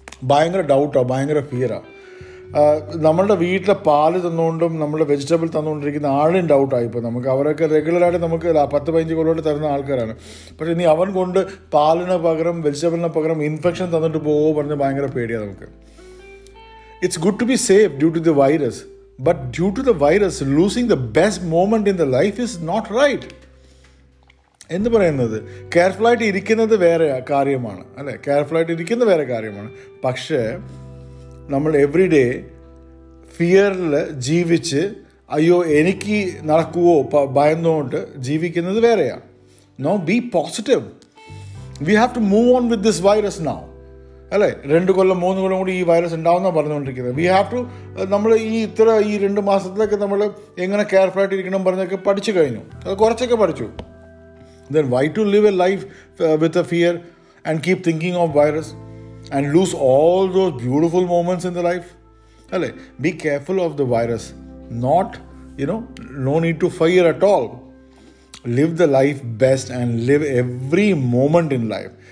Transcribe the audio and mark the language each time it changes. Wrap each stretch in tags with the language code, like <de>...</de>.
<ml>ഭയങ്കര ഡൗട്ടാണ്, ഭയങ്കര ഫിയറാണ്. നമ്മളുടെ വീട്ടിലെ പാല് തന്നുകൊണ്ടും നമ്മളുടെ വെജിറ്റബിൾ തന്നുകൊണ്ടിരിക്കുന്ന ആളും ഡൗട്ടായി. ഇപ്പോൾ നമുക്ക് അവരൊക്കെ റെഗുലറായിട്ട് നമുക്ക് 10-15 കൊല്ലോട്ട് തരുന്ന ആൾക്കാരാണ്. പക്ഷേ ഇനി അവൻ കൊണ്ട് പാലിന് പകരം വെജിറ്റബിളിന് പകരം ഇൻഫെക്ഷൻ തന്നിട്ട് പോകുമോ പറഞ്ഞ് ഭയങ്കര പേടിയാണ് നമുക്ക്.</ml> <en>It's good to be safe due to the virus, But due to the virus, losing the best moment in the life is not right.</en> <ml>എന്ന് പറയുന്നത് കെയർഫുള്ളായിട്ട് ഇരിക്കുന്നത് വേറെ കാര്യമാണ് അല്ലെ, കെയർഫുള്ളായിട്ട് ഇരിക്കുന്നത് വേറെ കാര്യമാണ്. പക്ഷേ നമ്മൾ എവറി ഡേ ഫിയറിൽ ജീവിച്ച് അയ്യോ എനിക്ക് നടക്കുവോ ഭയന്നുകൊണ്ട് ജീവിക്കുന്നത് വേറെയാണ്.</ml> <en>No, be positive. We have to move on with this virus now.</en> <ml>അല്ലേ, രണ്ട് കൊല്ലം മൂന്ന് കൊല്ലം കൂടി ഈ വൈറസ് ഉണ്ടാവുന്ന പറഞ്ഞുകൊണ്ടിരിക്കുന്നത്.</ml> <en>we have to,</en> <ml>നമ്മൾ ഈ ഇത്ര ഈ രണ്ട് മാസത്തിലൊക്കെ നമ്മൾ എങ്ങനെ കെയർഫുള്ളായിട്ട് ഇരിക്കണം പറഞ്ഞൊക്കെ പഠിച്ചു കഴിഞ്ഞു, അത് കുറച്ചൊക്കെ പഠിച്ചു.</ml> <en>Then why to live a life with a fear and keep thinking of virus and lose all those beautiful moments in the life? Alle, be careful of the virus. Not, you know, no need to fear at all. Live the life best and live every moment in life.</en>